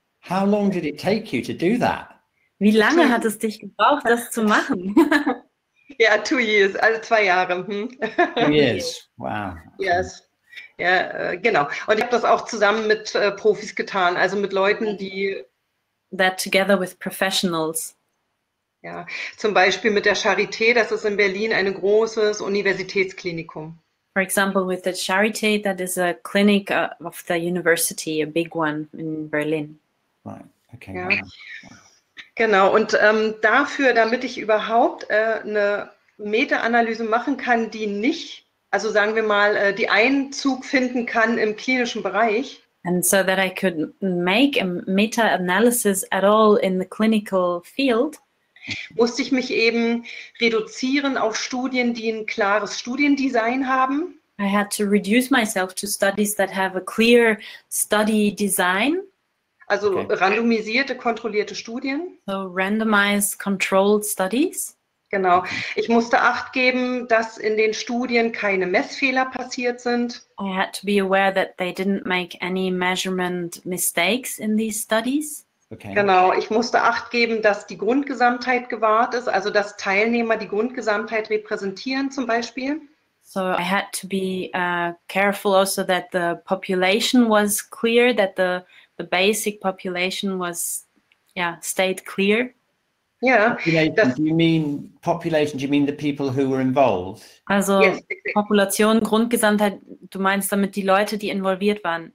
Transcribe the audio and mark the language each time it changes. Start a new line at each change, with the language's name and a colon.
English: How long did it take you to do that?
German: Wie lange hat es dich gebraucht, das zu machen? Ja,
English: 2 years,
German: also 2 Jahre.
English: 2 years, wow.
German: Yes. Ja, genau. Und ich habe das auch zusammen mit Profis getan, also mit Leuten, die...
English: That together with professionals.
German: Ja, zum Beispiel mit der Charité, das ist in Berlin ein großes Universitätsklinikum.
English: For example, with the Charité, that is a clinic of the university, a big one in Berlin. Right. Okay.
German: Ja. Wow. Genau, und dafür, damit ich überhaupt eine Meta-Analyse machen kann, die nicht, also sagen wir mal, die Einzug finden kann im klinischen Bereich.
English: And so that I could make a meta-analysis at all in the clinical field.
German: Musste ich mich eben reduzieren auf Studien, die ein klares Studiendesign haben.
English: I had to reduce myself to studies that have a clear study design.
German: Also okay. Randomisierte, kontrollierte Studien.
English: So randomized controlled studies.
German: Genau. Ich musste Acht geben, dass in den Studien keine Messfehler passiert sind.
English: I had to be aware that they didn't make any measurement mistakes in these studies.
German: Okay. Genau. Ich musste Acht geben, dass die Grundgesamtheit gewahrt ist, also dass Teilnehmer die Grundgesamtheit repräsentieren zum Beispiel.
English: So I had to be careful also that the population was clear, that the basic population was, yeah, stayed clear. Yeah. Population, do you mean the people who were involved?
German: Also yes, Population, Grundgesamtheit, du meinst damit die Leute, die involviert waren.